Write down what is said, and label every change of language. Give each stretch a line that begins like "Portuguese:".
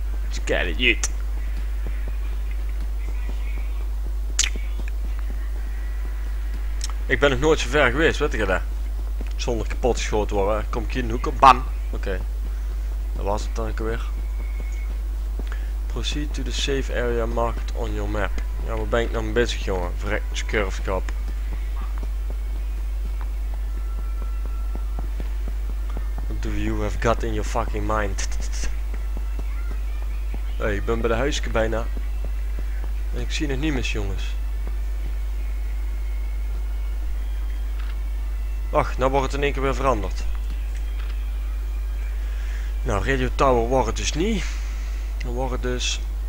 English: Scary dude.
Dutch: Ik ben nog nooit zo ver geweest, weet je dat? Zonder kapot geschoten worden, kom ik hier in de hoek op, bam! Oké, dat was het dan ook weer.
English: Proceed to the safe area marked on your map.
Dutch: Ja, waar ben ik nou mee bezig, jongen? Verrek, scurfkap.
English: What do you have got in your fucking mind?
Dutch: Hey, ik ben bij de huisje bijna. En ik zie het niet mis, jongens. Ach, nou wordt het in één keer weer veranderd. Nou, Radio Tower wordt het dus niet. Dan wordt het dus...